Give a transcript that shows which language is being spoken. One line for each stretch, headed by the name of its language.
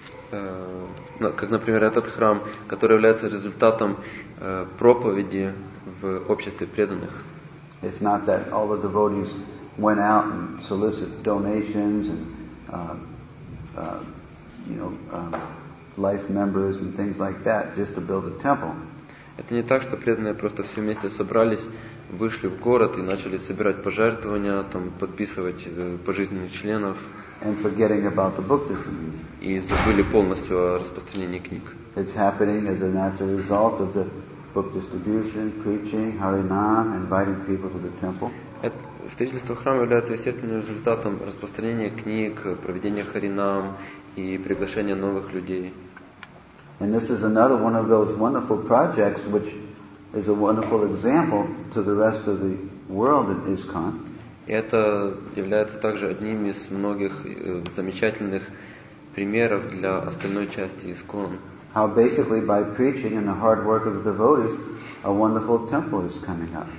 Russian: Как, например, этот храм, который является результатом проповеди в обществе преданных.
English: It's not that all the devotees went out and solicited donations and life members and things like that just to build a temple.
Russian: Это не так, что преданные просто все вместе собрались, вышли в город и начали собирать пожертвования, там, подписывать пожизненных членов
English: and forgetting about the book distribution.
Russian: И забыли полностью о распространении книг.
English: It's happening as a natural result of the book distribution, preaching, Harinam, inviting people to the temple.
Russian: Строительство храма является естественным результатом распространения книг, проведения Харинам и приглашения новых людей.
English: And this is another one of those wonderful projects which is a wonderful example to the rest of the world in ISKCON.
Russian: Это является также одним из многих замечательных примеров для остальной части ISKCON.
English: How basically by preaching and the hard work of the devotees, a wonderful temple is coming up.